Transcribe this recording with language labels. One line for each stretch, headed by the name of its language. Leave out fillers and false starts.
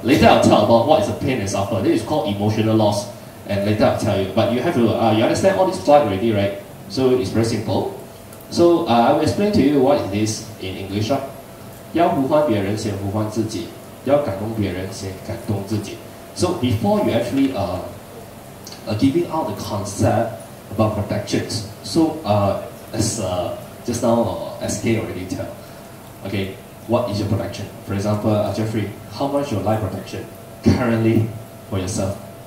English: Later I'll tell about what is a pain and suffer. This is called emotional loss, and later I'll tell you. But you have to, you understand all this slide already, right? So it's very simple. So I will explain to you what it is in English.
Chinese: 要呼唤别人先呼唤自己，要感动别人先感动自己.
English: So before you actually giving out the concept about protections, so SK already tell, okay, what is your protection? For example, Jeffrey, how much your life protection currently for yourself?